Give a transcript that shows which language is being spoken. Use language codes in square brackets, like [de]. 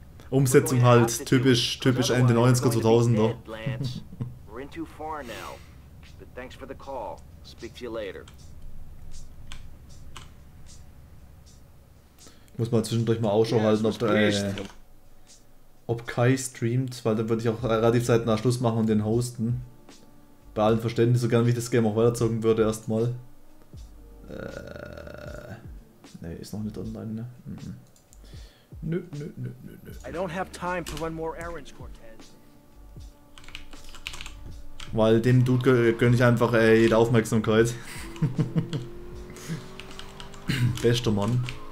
[de] Umsetzung halt, typisch Ende 90er, 2000er. [en] We're in too far now, but thanks for the call. Speak to you later. [de] Muss mal zwischendurch mal Ausschau halten, ob Kai streamt, weil dann würde ich auch relativ zeitnah Schluss machen und den hosten. Bei allen Verständnis, so gerne wie ich das Game auch weiterzocken würde, erstmal. Ne, ist noch nicht online, ne? Nö. [en] I don't have time to run more errands, Cortez. [de] Weil dem Dude gönne ich einfach jede Aufmerksamkeit. Bester Mann.